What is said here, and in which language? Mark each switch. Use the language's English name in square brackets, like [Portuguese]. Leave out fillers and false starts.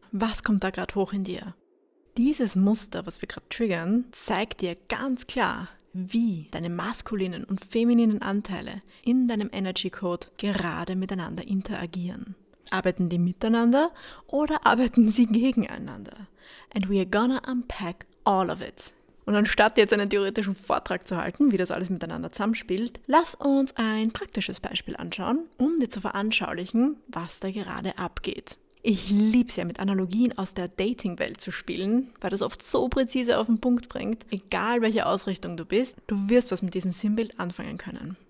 [German] Was kommt da gerade hoch in dir? Dieses Muster, was wir gerade triggern, zeigt dir ganz klar, wie deine maskulinen und femininen Anteile in deinem Energy Code gerade miteinander interagieren. Arbeiten die miteinander oder arbeiten sie gegeneinander? [English] And we are gonna unpack all of it. [German] Und anstatt jetzt einen theoretischen Vortrag zu halten, wie das alles miteinander zusammenspielt, lass uns ein praktisches Beispiel anschauen, um dir zu veranschaulichen, was da gerade abgeht. Ich lieb's ja, mit Analogien aus der Dating-Welt zu spielen, weil das oft so präzise auf den Punkt bringt, egal welche Ausrichtung du bist, du wirst was mit diesem Sinnbild anfangen können.